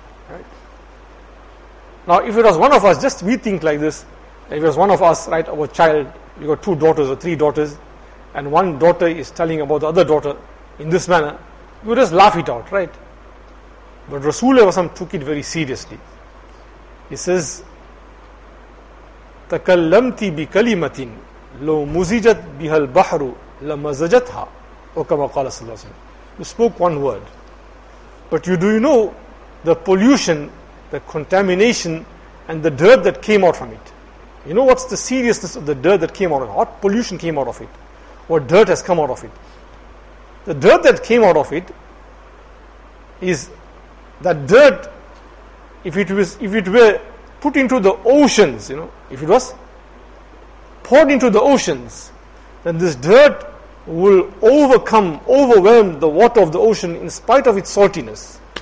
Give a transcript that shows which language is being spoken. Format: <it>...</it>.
<en>Right. Now, if it was one of us, just we think like this. If it was one of us, right, our child, you got two daughters or three daughters, and one daughter is telling about the other daughter in this manner, you would just laugh it out, right? But Rasulullah took it very seriously.</en> <ar>He says, تَكَلَّمْتِ بِكَلِمَةٍ لَوْ مُزِجَتْ بِهَا الْبَحْرُ لَمَزَجَتْهَا وَكَمَا قَالَ صَلَّى اللَّهُ عَلَيْهِ وَسَلَّمَ.</ar> <en>You spoke one word. But you do you know the pollution, the contamination, and the dirt that came out from it? You know what's the seriousness of the dirt that came out of it? What pollution came out of it? What dirt has come out of it? The dirt that came out of it is that dirt, if it were put into the oceans, you know, if it was poured into the oceans, then this dirt will overwhelm the water of the ocean in spite of its saltiness.</en>